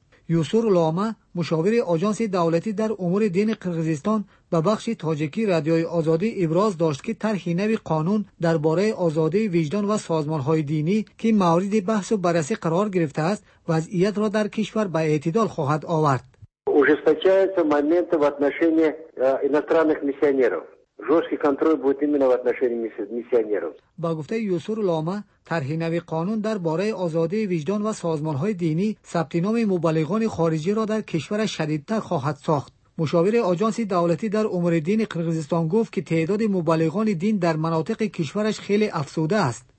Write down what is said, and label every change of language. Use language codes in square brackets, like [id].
[fa] یوسور لاما، مشاور آژانس دولتی در امور دین قرقیزستان و بخش تاجیکی رادیوی آزادی ابراز داشت که طرحی نو قانون درباره آزادی وجدان و سازمان‌های دینی که مورد بحث و بررسی قرار گرفته است، وضعیت را در کشور به اعتدال خواهد آورد. [ru] Ужесточаются моменты в отношении иностранных миссионеров. Жесткий контроль будет именно в отношении миссионеров. [tg] Ба гуфте Юсур Лома, тархи нави канун дар бораи азодии виждан ва созмонҳои динӣ сабти номи мубаллиғони хориҷиро дар кишвар шадидтар хоҳад сохт. Мушовири оҷонси давлатӣ дар умури дини Қирғизистон гуфт ки теъдоди мубаллиғони дин дар манотиқи кишвараш хеле афзуда аст.